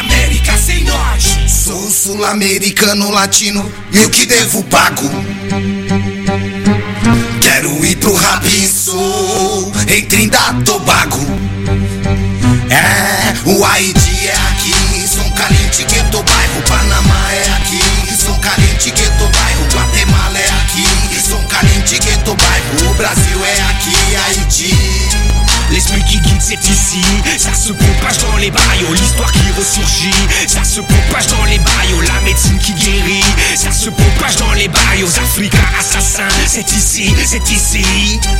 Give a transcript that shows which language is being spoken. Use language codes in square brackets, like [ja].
[pt] América sem norte. Sou sul-americano, latino, e o que devo pago? Quero ir pro Rabiço, em Trinidad e Tobago. É, o Haiti é aqui, São Caliente, Gueto, bairro. Panamá é aqui, São Caliente, Gueto, bairro. Guatemala é aqui, São Caliente, Gueto, bairro. O Brasil é aqui, Haiti. [fr] L'esprit qui guide c'est ici, ça se propage dans les barrios. L'histoire qui ressurgit, ça se propage dans les barrios. La médecine qui guérit, ça se propage dans les barrios. Africains assassins, c'est ici, c'est ici.